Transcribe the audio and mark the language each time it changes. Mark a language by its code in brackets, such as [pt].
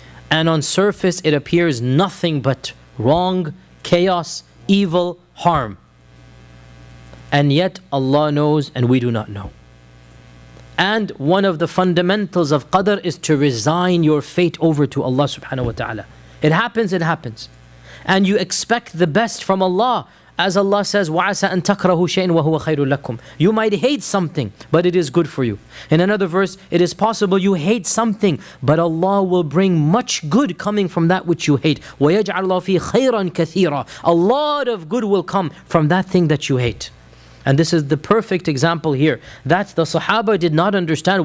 [en] And on surface it appears nothing but wrong, chaos, evil, harm. And yet Allah knows and we do not know. And one of the fundamentals of Qadr is to resign your fate over to Allah subhanahu wa ta'ala. It happens, it happens. And you expect the best from Allah. [ar] As Allah says, وَعَسَىٰ أَن تَكْرَهُوا شَيْءٍ وَهُوَ خَيْرٌ لَكُمْ. [en] You might hate something, but it is good for you. In another verse, it is possible you hate something, but Allah will bring much good coming from that which you hate. [ar] وَيَجْعَلْ اللَّهُ فِي خَيْرًا كَثِيرًا. [en] A lot of good will come from that thing that you hate. And this is the perfect example here, that the Sahaba did not understand.